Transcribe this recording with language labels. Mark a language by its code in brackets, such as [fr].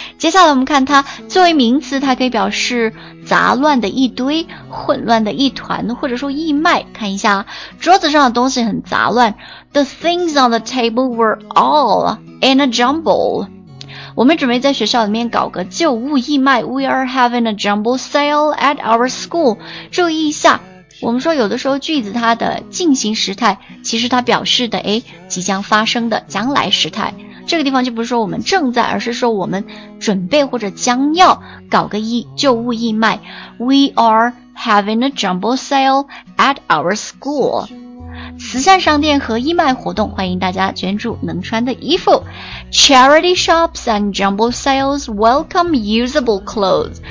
[zh] 接下来我们看它作为名词，它可以表示杂乱的一堆，混乱的一团，或者说义卖。看一下，桌子上的东西很杂乱。 [en] The things on the table were all in a jumble. [zh] 我们准备在学校里面搞个旧物义卖。 [en] We are having a jumble sale at our school. [zh] 注意一下，我们说有的时候句子它的进行时态，其实它表示的即将发生的将来时态。这个地方就不是说我们正在，而是说我们准备或者将要搞个旧物义卖。 [en] We are having a jumble sale at our school. [zh] 慈善商店和义卖活动，欢迎大家捐助能穿的衣服。 [en] Charity shops and jumble sales welcome usable clothes.